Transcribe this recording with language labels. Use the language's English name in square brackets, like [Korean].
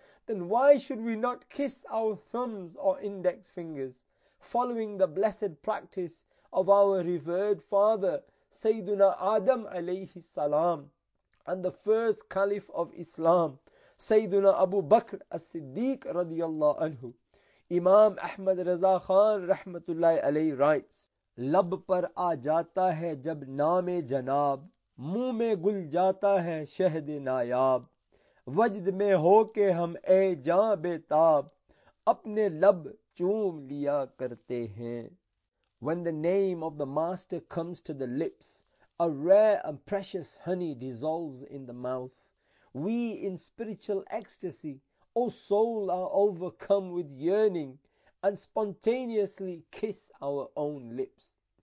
[English] then why should we not kiss our thumbs or index fingers, following the blessed practice of our revered father, Sayyiduna Adam alayhi salam, and the first caliph of Islam, Sayyiduna Abu Bakr as-Siddiq radiyallahu anhu. [Urdu] Imam Ahmad Raza Khan rahmatullahi alayhi writes, لب پر آ جاتا ہے جب نامِ جناب, منہ میں گھل جاتا ہے شہدِ نایاب, وجد میں ہو کے ہم اے جان بیتاب, اپنے لب چوم لیا کرتے ہیں. [English] When the name of the master comes to the lips, a rare and precious honey dissolves in the mouth. We in spiritual ecstasy, O soul, are overcome with yearning and spontaneously kiss our own lips.